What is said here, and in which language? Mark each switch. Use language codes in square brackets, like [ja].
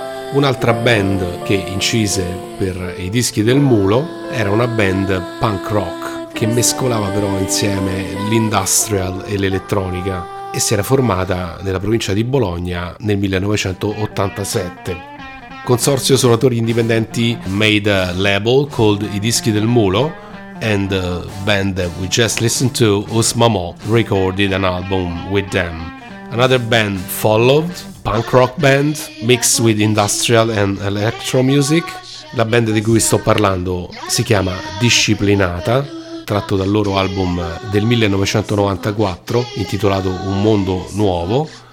[it] Un'altra band che incise per I Dischi del Mulo era una band punk rock che mescolava però insieme l'industrial e l'elettronica e si era formata nella provincia di Bologna nel 1987. [en] Consorzio suonatori indipendenti made a label called I Dischi del Mulo and the band that we just listened to, Us Mamò, recorded an album with them. Another band followed, punk rock band mixed with industrial and electro music. [it] La band di cui sto parlando si chiama Disciplinata, tratto dal loro album del 1994 intitolato Un mondo nuovo.